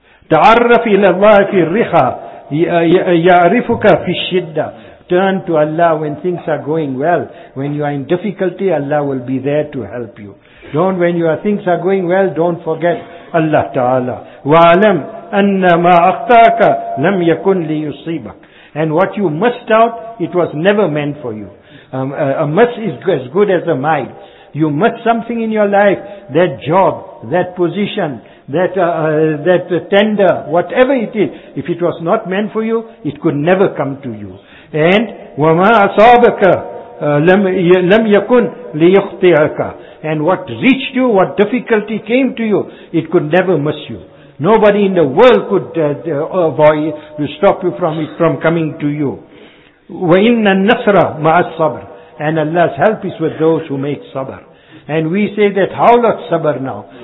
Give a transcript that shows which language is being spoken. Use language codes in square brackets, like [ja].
[ar] تعرف إلى الله في الرخاء يعرفك في الشدة. [en] Turn to Allah when things are going well. When you are in difficulty, Allah will be there to help you. Don't, when your things are going well, don't forget [ar] Allah Ta'ala. وَعَلَمْ أَنَّ مَا أَخْطَاكَ لَمْ يَكُنْ لِيُصِيبَكَ. [en] And what you missed out, it was never meant for you. A miss is as good as a mile. You missed something in your life, that job, that position, that tender, whatever it is. If it was not meant for you, it could never come to you. [ar] And وَمَا أَصَابَكَ لَمْ يَكُنْ لِيُخْطِئَكَ. [en] And what reached you, what difficulty came to you, it could never miss you. Nobody in the world could avoid, stop you from it, from coming to you. [ar] وَإِنَّ النَّصْرَ مَعَ الصَّبْرِ. [en] And Allah's help is with those who make sabr. And we say that, how lot sabr now?